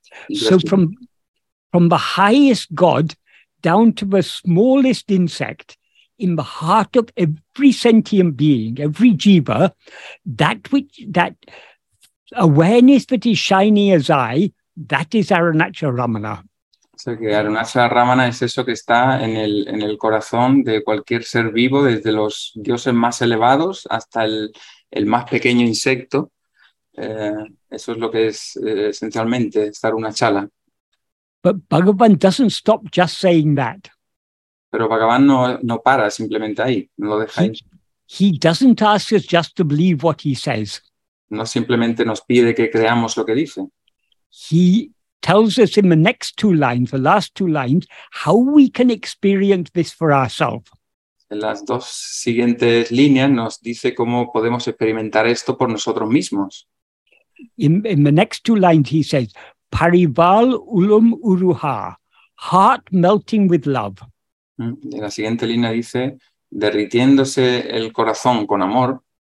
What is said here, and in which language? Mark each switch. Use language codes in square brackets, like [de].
[en] So from the highest god down to the smallest insect, in the heart of every sentient being, every jiva, that awareness that is shining as I, that is Arunachala Ramana. [es] So que Arunachala Ramana es eso que está en el corazón de cualquier ser vivo, desde los dioses más elevados hasta el más pequeño insecto. Eso es lo que es esencialmente estar una chala. [en] But Bhagavan doesn't stop just saying that. [es] Pero Bhagavan no para simplemente ahí, no lo deja ahí. [en] He doesn't ask us just to believe what he says. [es] No simplemente nos pide que creamos lo que dice. [en] He tells us in the next two lines, the last two lines, how we can experience this for ourselves. [es] En las dos siguientes líneas nos dice cómo podemos experimentar esto por nosotros mismos. [en] In the next two lines, he says, [ta] Parival ulum uruha, [en] heart melting with love. [es] En la siguiente línea dice, derritiéndose el corazón con amor.